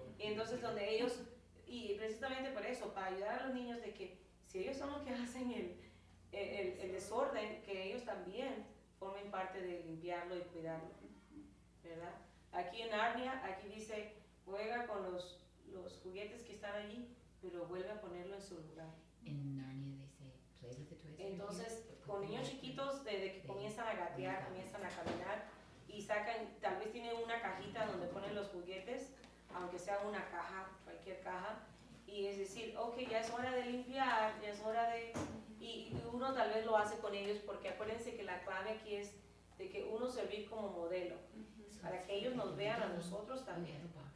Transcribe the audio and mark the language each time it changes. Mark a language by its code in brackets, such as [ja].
[es] Y entonces donde ellos, y precisamente por eso, para ayudar a los niños de que si ellos son los que hacen el desorden, que ellos también formen parte de limpiarlo y cuidarlo, ¿verdad? Aquí en Arnia, aquí dice, juega con los juguetes que están allí, pero vuelve a ponerlo en su lugar. [en] En Arnia they say, play with the toys. [es] Entonces, con niños chiquitos, desde que comienzan a gatear, comienzan a caminar, y sacan, tal vez tienen una cajita donde ponen los juguetes, aunque sea una caja, cualquier caja, y es decir, ok, ya es hora de limpiar, ya es hora de... Y uno tal vez lo hace con ellos, porque acuérdense que la clave aquí es de que uno servir como modelo, para que ellos nos vean a nosotros también.